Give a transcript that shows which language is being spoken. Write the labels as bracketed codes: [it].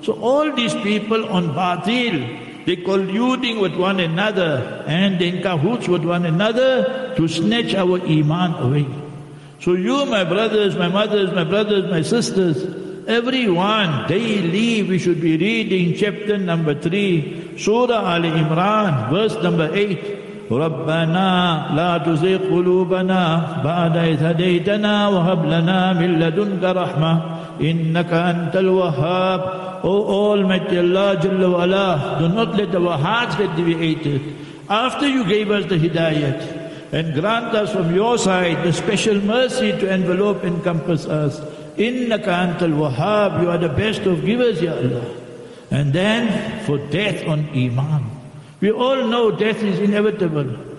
[en] So all these people on batil, they colluding with one another and in cahoots with one another to snatch our iman away. So you, my brothers, my mothers, my brothers, my sisters, everyone, daily we should be reading chapter number 3, Surah Ali Imran, verse number 8. [ar] ربنا لا تزغ قلوبنا بعد إذ هديتنا وهب لنا من لدنك رحمة إنك أنت الوهاب. [en] Oh Almighty Allah Jalla Wala, do not let our hearts get deviated. After you gave us the hidayat and grant us from your side the special mercy to envelop and encompass us. [ar] إِنَّكَ أَنْتَ الْوَهَابِ, [en] you are the best of givers, Ya Allah. And then for death on Iman. We all know death is inevitable.